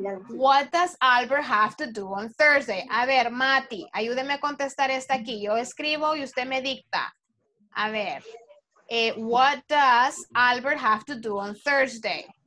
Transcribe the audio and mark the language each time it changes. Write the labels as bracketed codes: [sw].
[en] What does Albert have to do on Thursday? [es] A ver, Mati, ayúdeme a contestar esta aquí. Yo escribo y usted me dicta. A ver. [en] What does Albert have to do on Thursday?